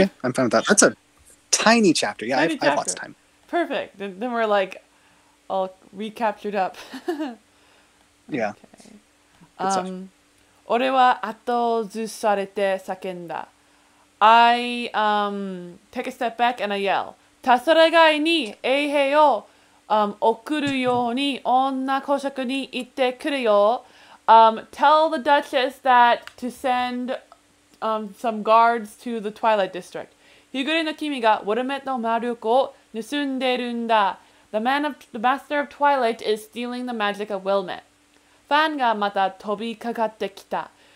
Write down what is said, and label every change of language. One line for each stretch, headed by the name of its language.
English: Okay, I'm fine with that. That's a tiny chapter. Yeah, I have lots of time. Perfect. Then we're like all recaptured up. Yeah.
Japanese: Okay. 俺は後ずされて叫んだ。
English: I take a step back and I yell.
Japanese: たそれがいに衛兵を送るように女公爵に言ってくれよ。
English: Tell the Duchess that to send some guards to the Twilight District.
Japanese: 日暮れの君がウォルメットの魔力を盗んでるんだ。
English: The Master of Twilight is stealing the magic of Wilmet.
Japanese: ファンがまた飛びかかってきた。